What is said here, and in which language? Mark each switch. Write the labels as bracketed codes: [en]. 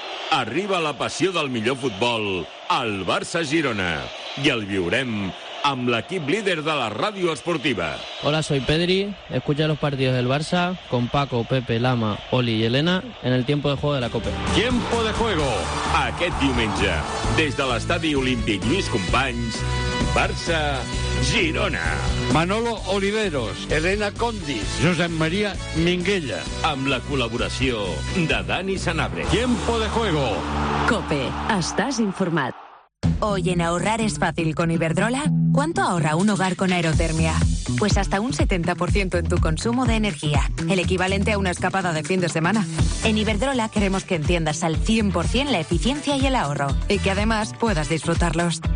[ca] Arriba la passió del millor futbol al Barça Girona. I el viurem amb l'equip líder de la ràdio esportiva. [es] Hola, soy Pedri. Escucha los partidos del Barça con Paco, Pepe, Lama, Oli y Elena en el tiempo de juego de la Copa. Tiempo de juego. [ca] Aquest diumenge, des de l'estadi olímpic Lluís Companys, Barça, Girona. Manolo Oliveros, Elena Condis, Josep Maria Minguella. Amb la col·laboració de Dani Sanabre. [es] Tiempo de juego. [ca] Cope, estàs informat. [es] Hoy en Ahorrar es fácil con Iberdrola. ¿Cuánto ahorra un hogar con aerotermia? Pues hasta un 70% en tu consumo de energía, el equivalente a una escapada de fin de semana. En Iberdrola queremos que entiendas al 100% la eficiencia y el ahorro, y que además puedas disfrutarlos.